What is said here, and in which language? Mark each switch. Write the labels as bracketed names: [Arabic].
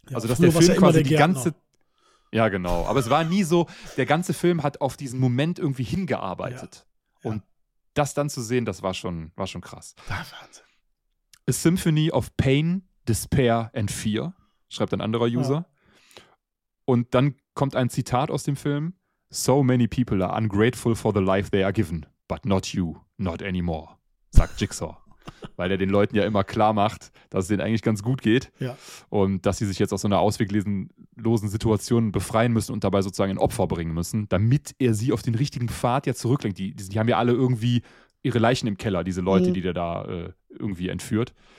[German] Ja, also dass der Film quasi der die ganze... Ja, genau. Aber es war nie so, der ganze Film hat auf diesen Moment irgendwie hingearbeitet. Ja. Und das dann zu sehen, das war schon krass. Wahnsinn. [English] A Symphony of Pain, Despair and Fear, [German] schreibt ein anderer User. Ja. Und dann kommt ein Zitat aus dem Film. [English] So many people are ungrateful for the life they are given, but not you. Not anymore, sagt Jigsaw. [German] Weil er den Leuten ja immer klar macht, dass es denen eigentlich ganz gut geht. Ja. Und dass sie sich jetzt aus so einer ausweglosen Situation befreien müssen und dabei sozusagen ein Opfer bringen müssen, damit er sie auf den richtigen Pfad ja zurücklenkt. Die haben ja alle irgendwie ihre Leichen im Keller, diese Leute, die der da irgendwie entführt.